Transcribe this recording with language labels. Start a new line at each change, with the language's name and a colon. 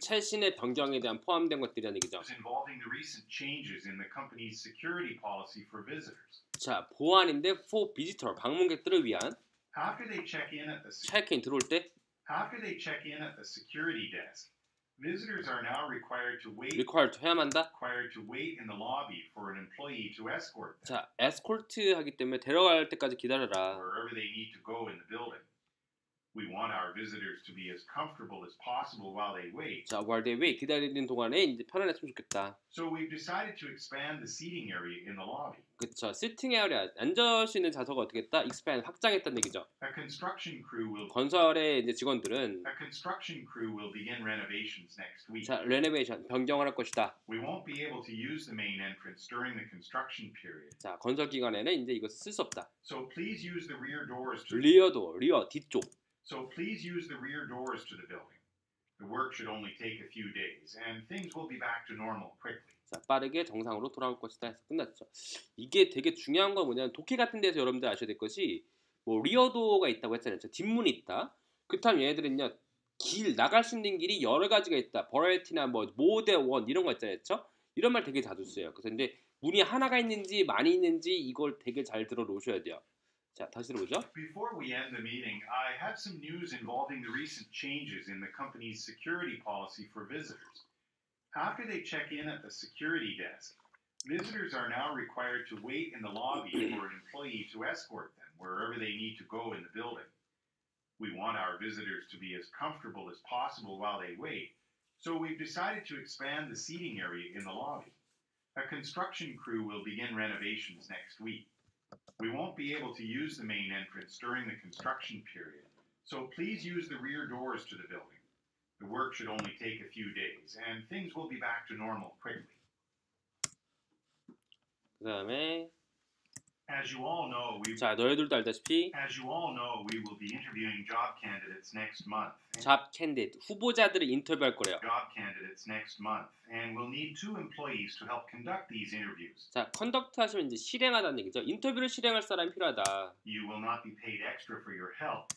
Korean: 최신의 변경에 대한 포함된 것들이란 얘기죠.
English: Involving the recent changes in the company's security policy for visitors.
Korean: 자, 보안인데
English: for visitor
Korean: 방문객들을 위한
English: After they check in at the
Korean: 체크인 들어올 때
English: After they check in at the security desk, visitors are now required to wait.
Korean: Required 해야만 한다.
English: Required to wait in the lobby for an employee to escort.
Korean: 자, 에스코트하기 때문에 데려갈 때까지 기다려라.
English: Wherever they need to go in the building, we want our visitors to be as comfortable as possible while they wait.
Korean: 자,
English: while they wait
Korean: 기다리는 동안에 이제 편안했으면 좋겠다.
English: So we've decided to expand the seating area in the lobby.
Korean: 그쵸,
English: sitting area
Korean: 앉을 수 있는 좌석을 어떻게 했다? Expand 확장했다는 얘기죠.
English: A construction crew will
Korean: 건설의 이제 직원들은
English: A construction crew will begin renovations next week.
Korean: 자, renovation 변경을 할 것이다.
English: We won't be able to use the main entrance during the construction period.
Korean: 자, 건설 기간에는 이제 이것 쓸 수 없다.
English: So please use the rear doors to
Korean: rear door, 리어 뒤쪽.
English: So please use the rear doors to the building. The work should only take a few days and things will be back to normal quickly.
Korean: 자, 빠르게 정상으로 돌아올 것이다 해서 끝났죠. 이게 되게 중요한 건 뭐냐면 독해 같은 데서 여러분들 아셔야 될 것이 뭐 리어도어가 있다고 했잖아요. 뒷문이 있다. 그렇다면 얘네들은요. 길, 나갈 수 있는 길이 여러 가지가 있다. 버라이티나 뭐 모대원 이런 거 있잖아요. 그렇죠? 이런 말 되게 자주 써요. 그래서 근데 문이 하나가 있는지 많이 있는지 이걸 되게 잘 들어놓으셔야 돼요. 자, 다시 들어보죠.
English: Before we end the meeting, I have some news involving the recent changes in the company's security policy for visitors. After they check in at the security desk, visitors are now required to wait in the lobby for an employee to escort them wherever they need to go in the building. We want our visitors to be as comfortable as possible while they wait, so we've decided to expand the seating area in the lobby. A construction crew will begin renovations next week. We won't be able to use the main entrance during the construction period, so please use the rear doors to the building. The work should only take a few days, and things will be back to normal quickly.
Korean: 그다음에
English: As you all know, we
Korean: 자 너희들도 알다시피
English: As you all know, we will be interviewing job candidates next month.
Korean: Job candidate 후보자들을 인터뷰할 거래요.
English: Job candidates next month, and we'll need two employees to help conduct these interviews.
Korean: 자 conduct 하시면 이제 실행하다는 얘기죠. 인터뷰를 실행할 사람이 필요하다.
English: You will not be paid extra for your help.